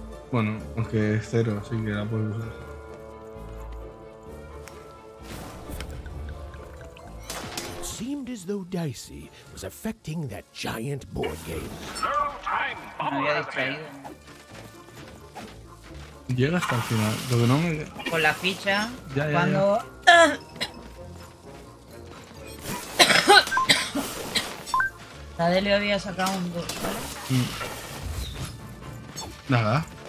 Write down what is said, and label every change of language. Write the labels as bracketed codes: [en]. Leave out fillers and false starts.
[es] Bueno, aunque es cero, así que la puedes usar. [en] Seemed as though Dicey was affecting that giant board game. [es] Llega hasta el final, lo que no me... Con la ficha, ya, cuando... La Deli había sacado un 2, ¿vale? Nada.